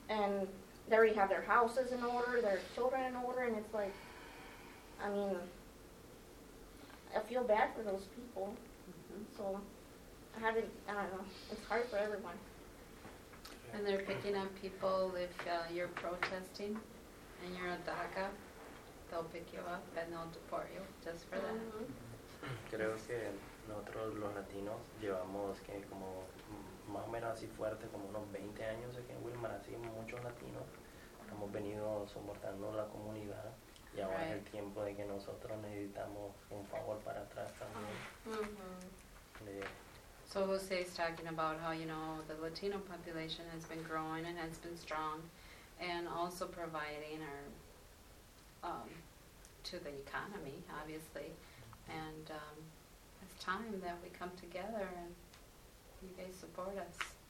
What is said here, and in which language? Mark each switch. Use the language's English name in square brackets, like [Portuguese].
[English] And they already have their houses in order, their children in order, and it's like, I mean, I feel bad for those people. Mm-hmm. So I haven't, I don't know, it's hard for everyone. And they're picking up people if you're protesting and you're a DACA, they'll pick you up and they'll deport you just for that. [Spanish] Creo que nosotros los latinos llevamos que como más o menos así fuerte, como unos 20 años aquí en Wilmar, así muchos latinos hemos venido soportando la comunidad y ahora [English] right. [Spanish] es el tiempo de que nosotros necesitamos un favor para atrás también. [English] So Jose is talking about how, you know, the Latino population has been growing and has been strong and also providing our, to the economy, obviously. And it's time that we come together and you guys support us.